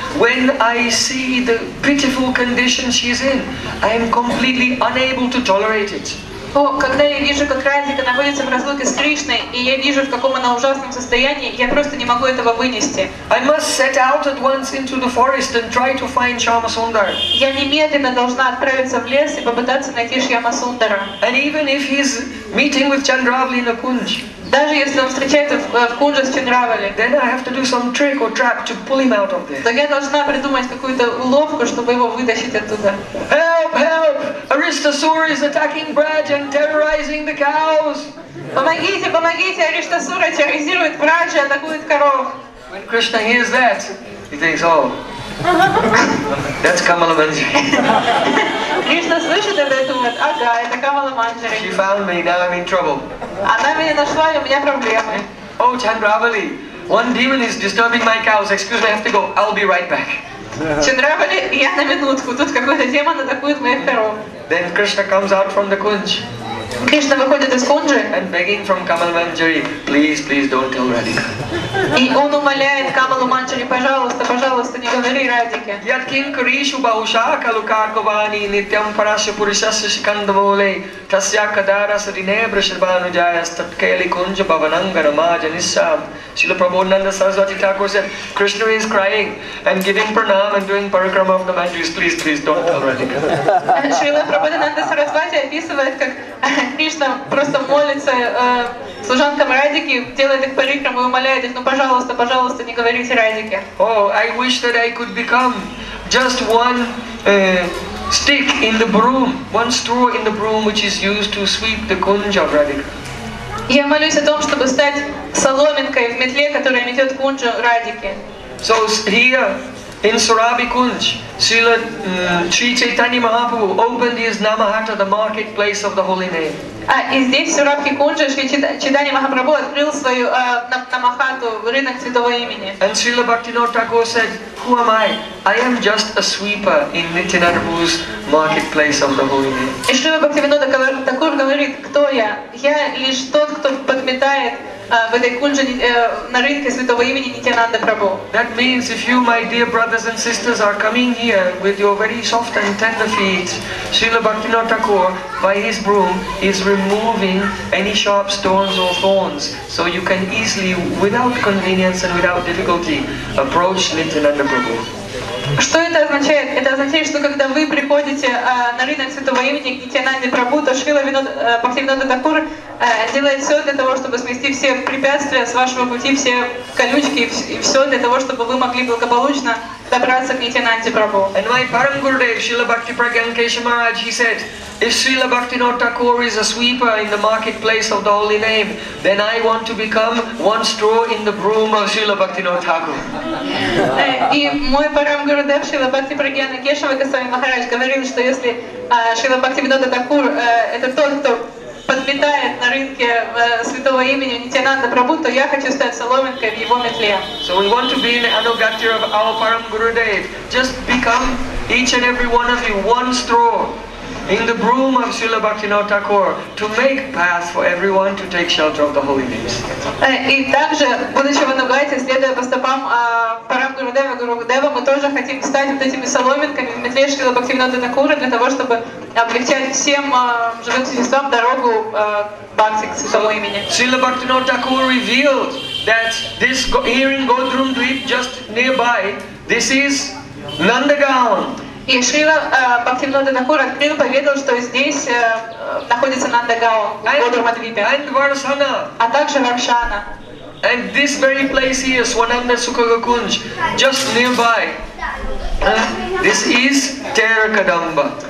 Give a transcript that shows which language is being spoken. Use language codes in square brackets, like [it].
[en] When I see the pitiful condition she's in, I am completely unable to tolerate it. [ru] О, когда я вижу, как Радика находится в разлуке с Кришной, и я вижу, в каком она ужасном состоянии, я просто не могу этого вынести. [en] I must set out at once into the forest and try to find Shyamasundara. [ru] Я немедленно должна отправиться в лес и попытаться найти Шьямасундара. [en] And even if he's meeting with Chandravali in a Kunj. [ru] Даже если он встречается в Кунже с Чандравали. [en] Then I have to do some trick or trap to pull him out of there. [ru] Тогда я должна придумать какую-то уловку, чтобы его вытащить оттуда. [en] Help! Help! Аристасура is attacking Braj and terrorizing the cows. [ru] Помогите, помогите! Аристасура терроризирует Брадж и атакует коров. [en] When Krishna hears that, he thinks, oh, that's Kamala Manjari. [ru] Krishna слышит это и думает, ага, это Kamala Manjari. [en] She found me, now I'm in trouble. [ru] Она меня нашла, и у меня проблемы. [en] Oh, Chandravali, one demon is disturbing my cows. Excuse me, I have to go. I'll be right back. [ru] Чандравали, я на минутку. Тут какой-то демон атакует моих коров. [en] Then Krishna comes out from the kunj. [ru] Krishna выходит из кунжи. [en] And begging from Kamala Manjari, please, please don't tell Radhika. [ru] И он умоляет Камалу Манджари, пожалуйста, пожалуйста, не говори Радике. [sa] Яд кин куришу бауша калукаковани нитям параши пуришасы шикандаволей тасья кадара сринебра шарбану джая статкели кунжа баванага рамаджа ниссам. [en] Srila Prabhupada Saraswati Thakur said, Krishna is crying and giving pranam and doing parikrama of the Manjaris. Please, please don't tell Radhika. [ru] Srila Prabhupada Saraswati описывает, как Кришна просто молится служанкам Радики, делает их парикраму и умоляет их, ну пожалуйста, пожалуйста, не говорите Радике. [en] Oh, I wish that I could become just one stick in the broom, one straw in the broom which is used to sweep the kunj of Radhika. [ru] Я молюсь о том, чтобы стать соломинкой в метле, которая метет кунджу Радики. [en] So here in Surabhi Kunj, Srila Sri Chaitanya Mahaprabhu opened his Namahatta, the marketplace of the holy name. [ru] И здесь, в Сурабхи Кунджа, Шри Чайтанья Махапрабху открыл свою намахату, рынок святого имени. [en] And Srila Bhaktivinoda Thakur said, who am I? I am just a sweeper in Nityanarabhu's marketplace of the holy name. [ru] И Srila Bhaktivinoda Thakur говорит, кто я? Я лишь тот, кто подметает в этой кунже на рынке святого имени Нитянанда Прабху. [en] That means if you, my dear brothers and sisters, are coming here with your very soft and tender feet, Srila Bhaktivinoda Thakur, by his broom, is removing any sharp stones or thorns, so you can easily, without convenience and without difficulty, approach Nityananda Prabhu. [ru] Что это означает? Это означает, что когда вы приходите на рынок святого имени к Нитянанде Прабху, то Шрила Бхактивинода Такур делает все для того, чтобы смести все препятствия с вашего пути, все колючки и все для того, чтобы вы могли благополучно добраться к Нитянанде Прабху. [en] And my Param Gurudev, Srila Bhakti Pragyan Kesha Maharaj, he said, if Srila Bhaktivinoda Thakur is a sweeper in the marketplace of the holy name, then I want to become one straw in the broom of Srila Bhaktivinoda Thakur. [ru] И мой Param Gurudev, Srila Bhakti Pragyan Kesha Maharaj, говорил, что если Srila Bhaktivinoda Thakur это тот, кто подметает на рынке святого имени Нитянанда Прабху, то я хочу стать соломинкой в его метле. [en] So we want to be in the anugatya of our Param Gurudev. Just become each and every one of you one straw in the broom of Srila Bhaktivinoda Thakur to make path for everyone to take shelter of the holy names. [ru] И также, будучи в анугате, следуя по стопам Param Gurudeva, Gurudeva, мы тоже хотим стать вот этими соломинками в метле Шрила Бхактивинода Такура для того, чтобы облегчать всем живым существам дорогу Бхакти к святому имени. [en] Srila Bhaktivinoda Thakur revealed that this here in Godrum Dweep, just nearby, this is Nandagaon. [ru] И Шрила Бхактивинода Такур открыл, поведал, что здесь находится Нандагао, Годурмадвипе, а также Варшана. [en] And this very place here, Swananda Sukhaga Kunj, just nearby, this is Terakadamba.